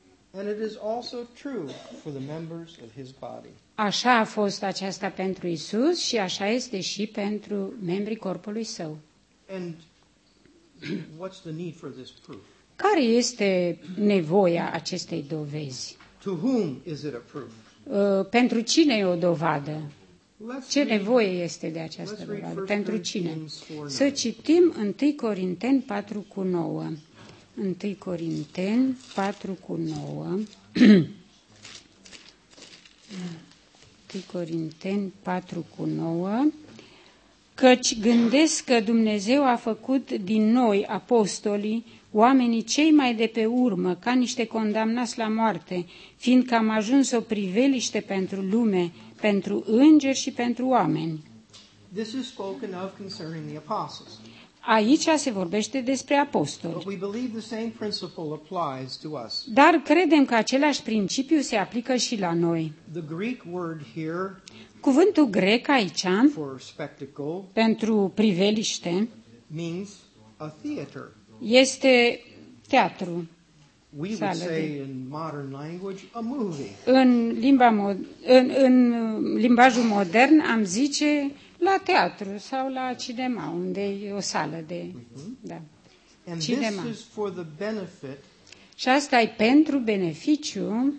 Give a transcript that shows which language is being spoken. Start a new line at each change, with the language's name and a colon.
English: And it is also true for the members of his body.
Romanian: Așa a fost aceasta pentru Isus și așa este și pentru membrii corpului său.
English: And what's the need for this proof?
Romanian: Care este nevoia acestei dovezi?
English: To whom is it a proof?
Romanian: Pentru cine e o dovadă? Ce nevoie este de această dovadă? Pentru cine? Să citim 1 Corinteni 4 cu 9. 1 Corinteni 4 cu 9. 1 Corinteni 4 cu 9. Căci gândesc că Dumnezeu a făcut din noi, apostolii, oamenii cei mai de pe urmă, ca niște condamnați la moarte, fiindcă am ajuns o priveliște pentru lume, pentru îngeri și pentru oameni.
English: This is spoken of concerning the apostles.
Romanian: Aici se vorbește despre apostoli.
English: But we believe the same principle applies to us.
Romanian: Dar credem că același principiu se aplică și la noi.
English: The Greek word here,
Romanian: cuvântul grec aici
English: for spectacle,
Romanian: pentru priveliște
English: means a theater.
Romanian: Este teatru.
English: We would say in modern language a movie.
Romanian: În limbajul modern am zice la teatru sau la cinema, unde e o sală de, da.
English: And cinema. This is for the benefit.
Romanian: Și asta e pentru beneficiu